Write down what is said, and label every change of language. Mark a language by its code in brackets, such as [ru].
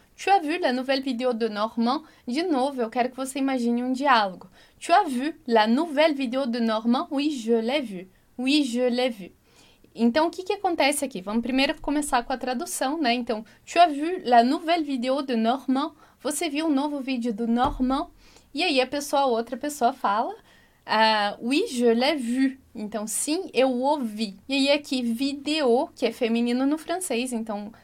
[fr] Tu as vu la nouvelle vidéo de Normand? [pt] De novo, eu quero que você imagine um diálogo. [fr] Tu as vu la nouvelle vidéo de Normand? Oui, je l'ai vu. Oui, je l'ai vu. [pt] Então, o que que acontece aqui? Vamos primeiro começar com a tradução, né? Então, [fr] tu as vu la nouvelle vidéo de Normand? [pt] Você viu o um novo vídeo do Normand? E aí, outra pessoa fala, [fr] oui, je l'ai vu. [pt] Então, sim, eu ouvi. E aí, aqui, vidéo, que é feminino no francês, então.